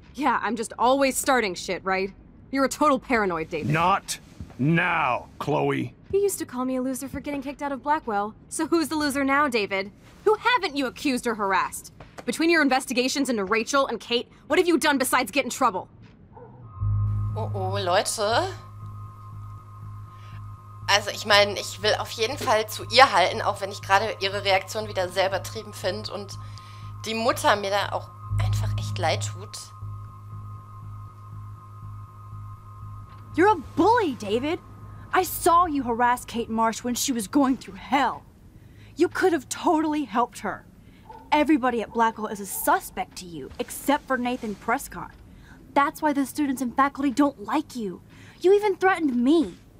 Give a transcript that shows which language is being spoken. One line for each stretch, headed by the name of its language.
English: Yeah, I'm just always starting shit, right? You're a total paranoid, David. Not now, Chloe. You used to call me a loser for getting kicked out of Blackwell. So who's the loser now, David? Who haven't you accused or harassed? Between your investigations into Rachel and Kate, what have you done besides get in trouble?
German: Oh, Leute. Also, ich meine, ich will auf jeden Fall zu ihr halten, auch wenn ich gerade ihre Reaktion wieder sehr übertrieben finde und die Mutter mir da auch einfach echt leid tut.
English: You're a bully, David. I saw you harass Kate Marsh when she was going through hell. You could have totally helped her. Everybody at Blackwell is a suspect to you, except for Nathan Prescott. That's why the students and faculty don't like you. You even threatened me.